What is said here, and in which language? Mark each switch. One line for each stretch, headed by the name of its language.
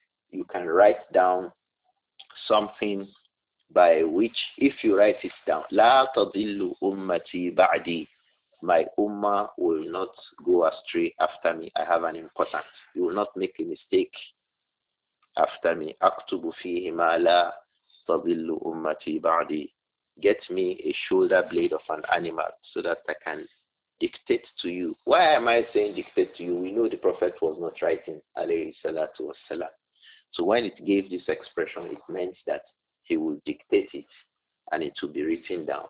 English: You can write down something by which, if you write it down,
Arabic: لا تضل أمتي بعدي,
English: my ummah will not go astray after me. I have an important. You will not make a mistake after me.
Arabic: أكتب فيه ما لا تضل أمتي بعدي.
English: Get me a shoulder blade of an animal so that I can dictate to you. Why am I saying dictate to you? We know the Prophet was not writing, alayhi salatu wassalam. So when it gave this expression, it meant that he will dictate it, and it will be written down.